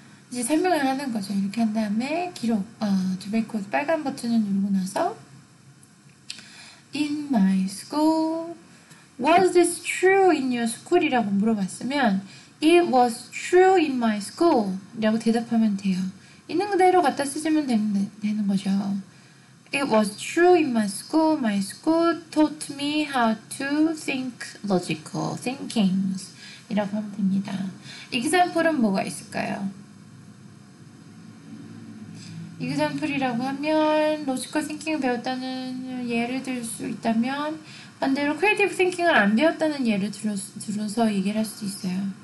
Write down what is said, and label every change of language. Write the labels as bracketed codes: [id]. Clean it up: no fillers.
[ko] 이제 설명을 하는 거죠. 이렇게 한 다음에 기록, [en] to record, [ko] 빨간 버튼을 누르고 나서 [en] In my school, was this true in your school [ko] 이라고 물어봤으면 [en] It was true in my school [ko] 이라고 대답하면 돼요. 있는 그대로 갖다 쓰시면 되는 거죠. [en] It was true in my school. My school taught me how to think logical thinkings. [ko] 이라고 하면 됩니다. 이그잠플은 뭐가 있을까요? 이그잠플이라고 하면 로지컬 씽킹을 배웠다는 예를 들수 있다면 반대로 크리에이티브 씽킹을 안 배웠다는 예를 들어서 얘기를 할 수도 있어요.